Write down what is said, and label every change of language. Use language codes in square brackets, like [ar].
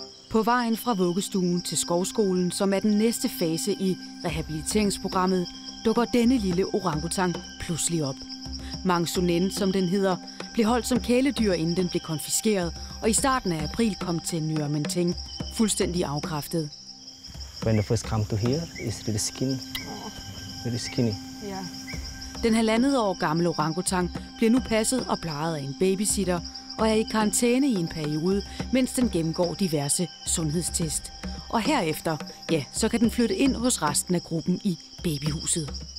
[da] På vejen fra vuggestuen til skovskolen, som er den næste fase i rehabiliteringsprogrammet, dukker denne lille orangutang pludselig op. Mangsunen, som den hedder, blev holdt som kæledyr, inden den blev konfiskeret, og i starten af april kom til Nyrmanting fuldstændig afkræftet. [en] When the first come to here, it's really skinny. Really skinny. [da] Ja. Den halvandet år gamle orangutang bliver nu passet og plejet af en babysitter, og er i karantæne i en periode, mens den gennemgår diverse sundhedstest. Og herefter, ja, så kan den flytte ind hos resten af gruppen i babyhuset.